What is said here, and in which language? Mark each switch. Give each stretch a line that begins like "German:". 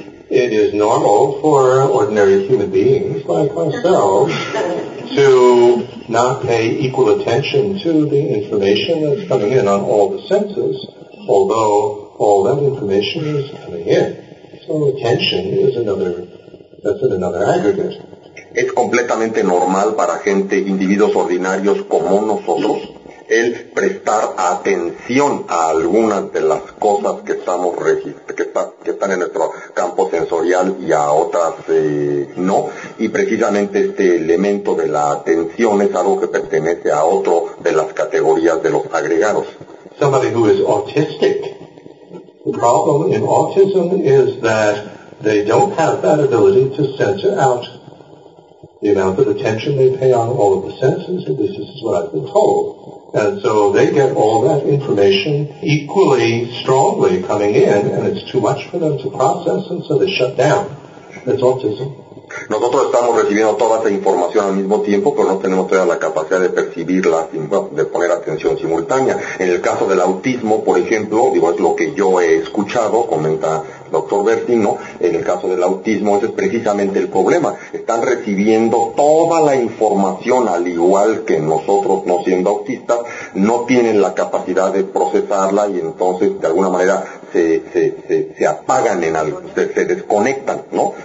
English: It is normal for ordinary human beings like ourselves to not pay equal attention to the information that's coming in on all the senses, although all that information is coming in. So attention is another, that's in another aggregate.
Spanish: ¿Es completamente normal para gente, individuos ordinarios como nosotros, el prestar atención a algunas de las cosas que estamos que están en nuestro campo sensorial y a otras no? Y precisamente este elemento de la atención es algo que pertenece a otro de las categorías de los agregados.
English: Somebody who is autistic. The problem in autism is that they don't have that ability to censor out the amount of attention they pay on all of the senses. This is what I've been told. And so they get all that information equally strongly coming in, and it's too much for them to process, and so they shut down. That's autism.
Spanish: Nosotros estamos recibiendo toda esa información al mismo tiempo, pero no tenemos todavía la capacidad de percibirla, de poner atención simultánea. En el caso del autismo, por ejemplo, digo, es lo que yo he escuchado, comenta Dr. Bertin, ¿no? En el caso del autismo, ese es precisamente el problema. Están recibiendo toda la información al igual que nosotros, no siendo autistas, no tienen la capacidad de procesarla y entonces, de alguna manera, se apagan en algo, se desconectan, ¿no?